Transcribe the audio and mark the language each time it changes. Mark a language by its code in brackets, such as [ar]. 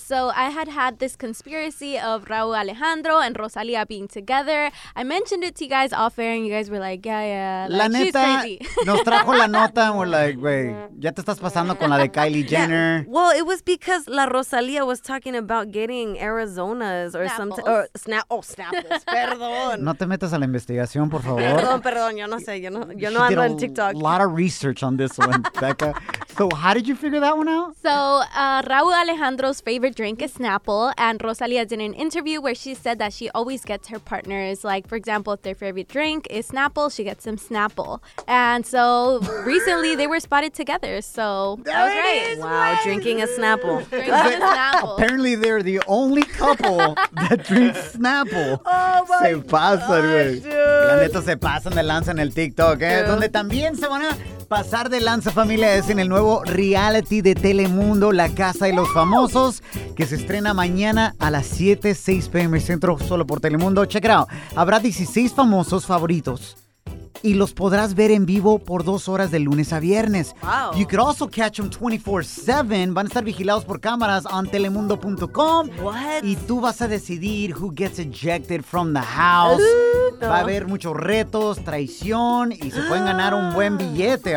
[en] So I had this conspiracy of Raul Alejandro and Rosalia being together. I mentioned it to you guys off air and you guys were like, yeah. Like, [es] la neta, nos trajo la nota [en] and we're like, wait, [es] ya te estás pasando con la de Kylie Jenner. [en] Yeah. Well, it was because La Rosalia was talking about getting Arizona's or something. [es] Snapples, perdón. No te metas a la investigación, por favor. Perdón, yo no sé. Yo no ando en TikTok. [en] A lot of research on this one, Becca. So how did you figure that one out? So Raul Alejandro's favorite drink is Snapple, and Rosalia did an interview where she said that she always gets her partners, like, for example, if their favorite drink is Snapple, she gets them Snapple. And so recently they were spotted together, so that was right. Wow, drinking a Snapple. Drinking a Snapple. Apparently they're the only couple that drinks Snapple. Oh, my God. [es] La neta se pasan de lanza en el TikTok, ¿eh? Donde también se van a... Pasar de lanza, familia, es en el nuevo reality de Telemundo, La Casa de los Famosos, que se estrena mañana a las 7, 6 p.m. Centro, solo por Telemundo. [en] Check it out. [es] Habrá 16 famosos favoritos y los podrás ver en vivo por 2 horas de lunes a viernes. [en] Wow. You could also catch them 24/7. [es] Van a estar vigilados por cámaras [en] on telemundo.com. What? [es] Y tú vas a decidir [en] who gets ejected from the house. [es] Va a haber muchos retos, traición, y se pueden ganar un buen billete.